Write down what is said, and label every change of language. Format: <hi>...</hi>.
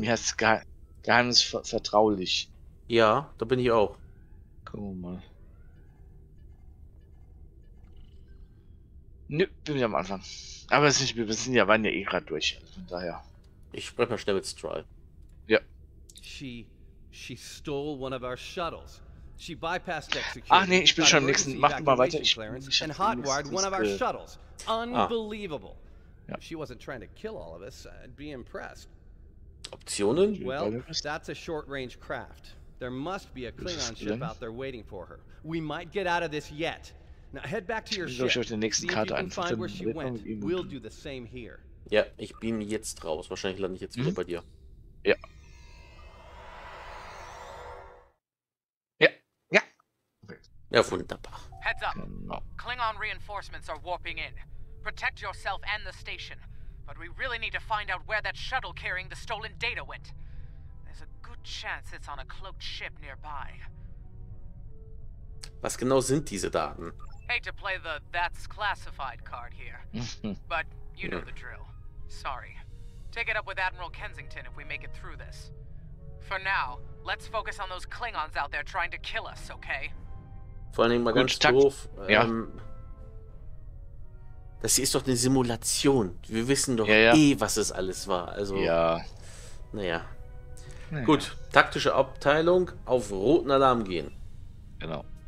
<de>Mir heißt es Geheimnis vertraulich. Ja, da bin ich auch. Gucken wir mal. Nö, bin ich am Anfang. Aber es ist nicht, wir waren ja eh gerade durch. Also von daher. Ich spreche mal schnell mit Strahl. Ja.</de> <en>She stole one of our shuttles. She bypassed execution.</en> <de>Ach nee, ich bin schon am nächsten. Mach mal weiter.</de> <en>And hotwired one of our shuttles. Unbelievable. Ja. She wasn't trying to kill all of us. I'd be impressed. Optionen? Well, that's a short-range craft. There must be a Klingon ship out there waiting for her. We might get out of this yet. Now head back to your ship.</en> <de>Ich glaube, ich habe den nächsten Kater einfach.</de> <en>We'll do the same here.</en> <de>Ja, ich beam jetzt raus. Wahrscheinlich lande ich jetzt wieder bei dir. Ja. Ja. Ja. Ja, wunderbar.</de> <en>Heads up. Klingon reinforcements are warping in. Protect yourself and the station. But we really need to find out where that shuttle carrying the stolen data went. There's a good chance it's on a cloaked ship nearby.</en> <de>Was genau sind diese Daten?</de> <en>Hate to play the that's classified card here. But you know the drill. Sorry. Take it up with Admiral Kensington if we make it through this. For now, let's focus on those Klingons out there trying to kill us, okay?</en> <de>Vor allem mal ganz doof. Das hier ist doch eine Simulation. Wir wissen doch was es alles war. Also. Ja. Naja. Gut, taktische Abteilung, auf roten Alarm gehen. Genau.</de>